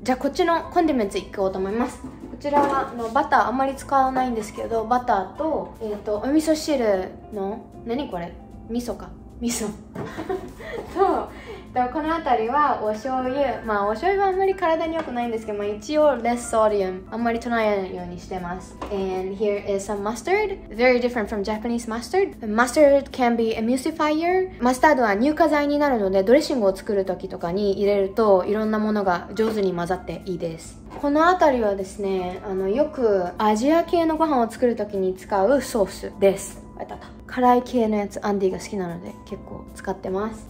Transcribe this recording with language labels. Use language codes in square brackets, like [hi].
[ja] じゃあこっちのコンディメンツいこうと思います。こちらはバター、あんまり使わないんですけど、バターと、お味噌汁の何これ、味噌か、味噌そう、このあたりはお醤油、まあお醤油はあんまり体に良くないんですけど、まあ、一応 [en] less sodium [ja] あんまり取らないようにしてます。 [en] And here is some mustard, very different from Japanese mustard. Mustard can be emulsifier. [ja] マスタードは乳化剤になるので、ドレッシングを作る時とかに入れるといろんなものが上手に混ざっていいです。このあたりはですね、よくアジア系のご飯を作る時に使うソースです。辛い系のやつ、アンディが好きなので結構使ってます。